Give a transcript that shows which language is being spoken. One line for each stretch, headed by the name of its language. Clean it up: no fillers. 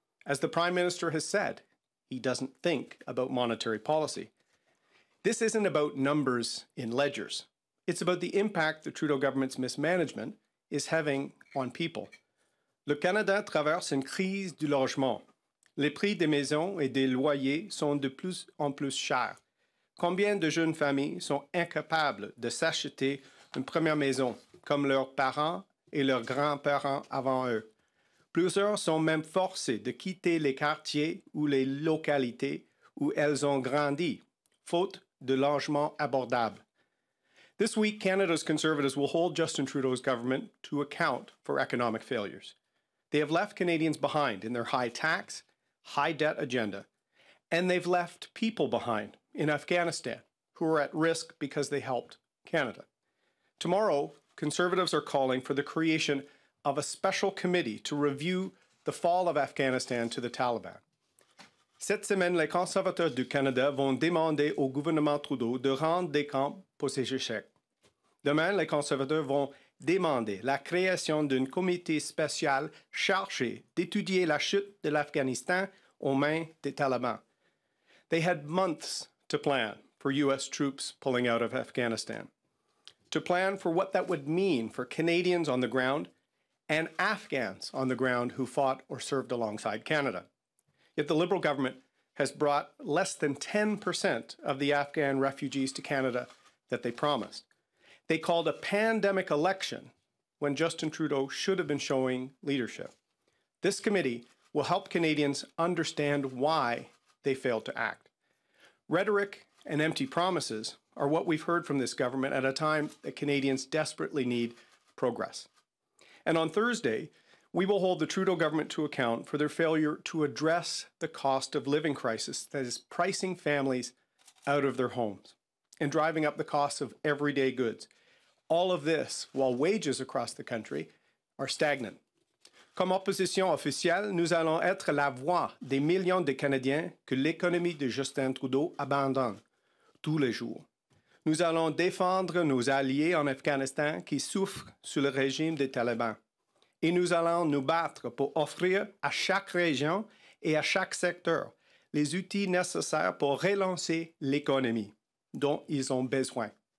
English: As the Prime Minister has said, he doesn't think about monetary policy. This isn't about numbers in ledgers. It's about the impact the Trudeau government's mismanagement is having on people.
French: Le Canada traverse une crise du logement. Les prix des maisons et des loyers sont de plus en plus chers. Combien de jeunes familles sont incapables de s'acheter une première maison, comme leurs parents et leurs grands-parents avant eux? Plusieurs sont même forcés de quitter les quartiers ou les localités où elles ont grandi, faute de logements abordables.
English: This week, Canada's Conservatives will hold Justin Trudeau's government to account for economic failures. They have left Canadians behind in their high tax, high debt agenda, and they've left people behind in Afghanistan who are at risk because they helped Canada. Tomorrow, Conservatives are calling for the creation of a special committee to review the fall of Afghanistan to the Taliban.
French: Cette semaine, les conservateurs du Canada vont demander au gouvernement Trudeau de rendre des comptes pour ses échecs. Demain, les conservateurs vont demander la création d'un comité spécial chargé d'étudier la chute de l'Afghanistan aux mains des Talibans.
English: They had months to plan for U.S. troops pulling out of Afghanistan, to plan for what that would mean for Canadians on the ground and Afghans on the ground who fought or served alongside Canada. Yet the Liberal government has brought less than 10% of the Afghan refugees to Canada that they promised. They called a pandemic election when Justin Trudeau should have been showing leadership. This committee will help Canadians understand why they failed to act. Rhetoric and empty promises are what we've heard from this government at a time that Canadians desperately need progress. And on Thursday, we will hold the Trudeau government to account for their failure to address the cost of living crisis that is pricing families out of their homes and driving up the cost of everyday goods. All of this while wages across the country are stagnant.
French: Comme opposition officielle, nous allons être la voix des millions de Canadiens que l'économie de Justin Trudeau abandonne tous les jours. Nous allons défendre nos alliés en Afghanistan qui souffrent sous le régime des talibans. Et nous allons nous battre pour offrir à chaque région et à chaque secteur les outils nécessaires pour relancer l'économie dont ils ont besoin.